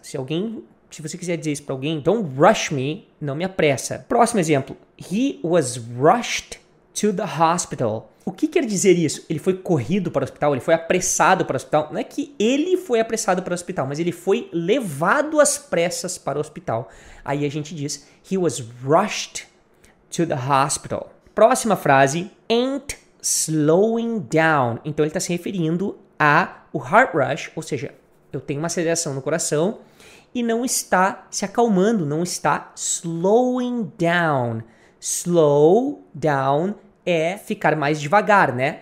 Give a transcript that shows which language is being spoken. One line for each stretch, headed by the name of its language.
Portuguese: Se você quiser dizer isso para alguém,
English: don't rush me,
Portuguese: não me apressa. Próximo exemplo.
English: He was rushed to the hospital.
Portuguese: O que quer dizer isso? Ele foi corrido para o hospital? Ele foi apressado para o hospital? Não é que ele foi apressado para o hospital, mas ele foi levado às pressas para o hospital. Aí a gente diz,
English: he was rushed to the hospital.
Portuguese: Próxima frase.
English: Ain't slowing down.
Portuguese: Então ele está se referindo ao heart rush, ou seja, eu tenho uma aceleração no coração e não está se acalmando, não está
English: slowing down.
Portuguese: Slow down é ficar mais devagar, né?